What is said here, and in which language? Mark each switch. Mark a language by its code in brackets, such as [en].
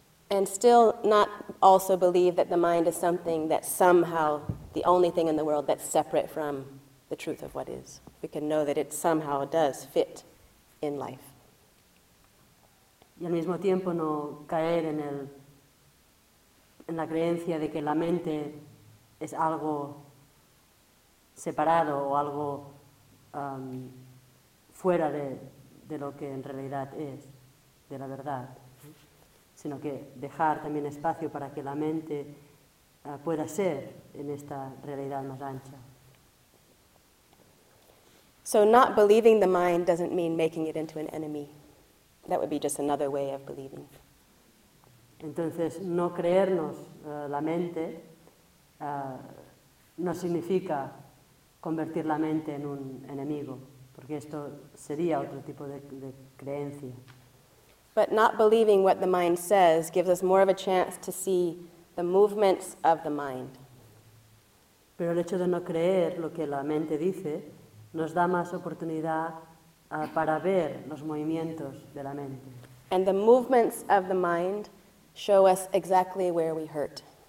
[en] And still not also believe that the mind is something that's somehow the only thing in the world that's separate from the truth of what is. We can know that it somehow does fit in life. [es] Y al mismo tiempo no caer en la creencia de que la mente es algo separado o algo fuera de lo que en realidad es, de la verdad, sino que dejar también espacio para que la mente pueda ser en esta realidad más ancha. [en] So not believing the mind doesn't mean making it into an enemy. That would be just another way of believing. [es] Entonces, no creernos la mente no significa convertir la mente en un enemigo, porque esto sería otro tipo de creencia. [en] But not believing what the mind says gives us more of a chance to see the movements of the mind. [es] Pero el hecho de no creer lo que la mente dice nos da más oportunidad para ver los movimientos de la mente. [en] And the movements of the mind show us exactly where we hurt.